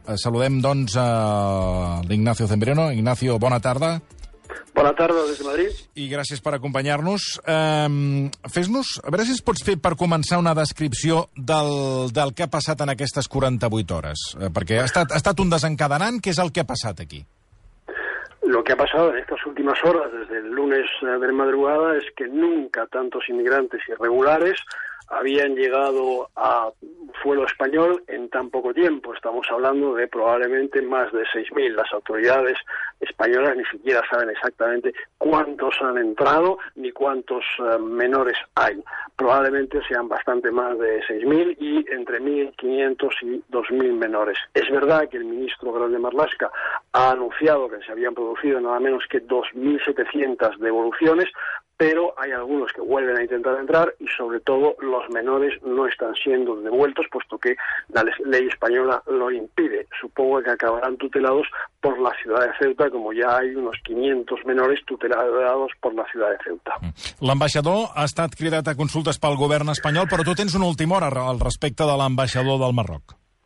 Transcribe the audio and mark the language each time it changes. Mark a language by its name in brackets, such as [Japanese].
[Catalan] Saludem, doncs, a l'Ignacio Cembrero. Ignacio, bona tarda. Bona tarda des de Madrid. I gràcies per acompanyar-nos. Fes-nos, a veure si es pots fer per començar una descripció del que ha passat en aquestes 48 hores. Perquè ha estat un desencadenant. Què és el que ha passat aquí? [Spanish] Lo que ha pasado en estas últimas horas, desde el lunes de madrugada, es que nunca tantos inmigrantes irregulares habían llegado a suelo español en tan poco tiempo. Estamos hablando de probablemente más de 6.000. Las autoridades españolas ni siquiera saben exactamente cuántos han entrado ni cuántos menores hay. Probablemente sean bastante más de 6.000 y entre 1.500 y 2.000 menores. Es verdad que el ministro Grande Marlaska ha anunciado que se habían producido nada menos que 2.700 devoluciones, pero hay algunos que vuelven a intentar entrar y, sobre todo, los menores no están siendo devueltos, puesto que la ley española lo impide. Supongo que acabarán tutelados por la ciudad de Ceuta, como ya hay unos 500 menores tutelados por la ciudad de Ceuta. [Catalan] L'ambaixador ha estat cridat a consultes pel govern espanyol, però tu tens una última hora al respecte de l'ambaixador del Marroc.